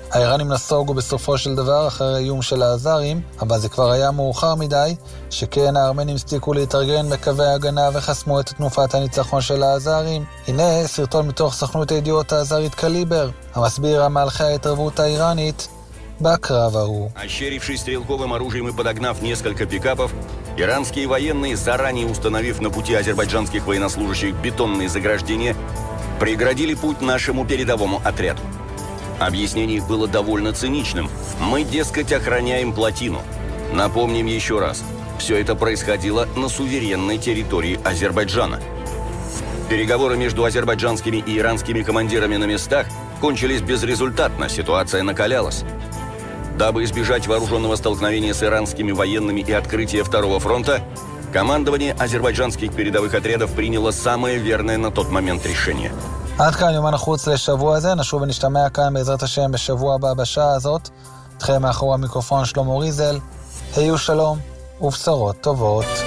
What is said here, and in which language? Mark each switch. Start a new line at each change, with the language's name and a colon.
Hebrew: האיראנים נסוגו בסופו של דבר אחרי איום של האזרים, אבל זה כבר היה מאוחר מדי, שכן הארמנים הסתיקו להתארגן בקווי הגנה וחסמו את תנופת הניצחון של האזרים. הנה סרטון מתוך סוכנות הידיעות האזרית קליבר, המסביר המהלכי ההתערבות האיראנית בקרב ההוא. השרפשי סטרילקובם ארוז'ים ופדגנף נסקלקה פיקאפוב,
Russian: Иранские военные, заранее установив на пути азербайджанских военнослужащих бетонные заграждения, преградили путь нашему передовому отряду. Объяснение их было довольно циничным. Мы, дескать, охраняем плотину. Напомним еще раз, все это происходило на суверенной территории Азербайджана. Переговоры между азербайджанскими и иранскими командирами на местах кончились безрезультатно, ситуация накалялась. Дабы избежать вооруженного столкновения с иранскими военными и открытия второго фронта, командование азербайджанских передовых отрядов приняло самое верное на тот момент решение.
Hebrew: עד כאן יומן החוץ לשבוע הזה. נשוב ונשתמע כאן בעזרת השם בשבוע הבא בשעה הזאת. אתכם מאחור המיקרופון שלמה ריזל. היו שלום ובשרות טובות.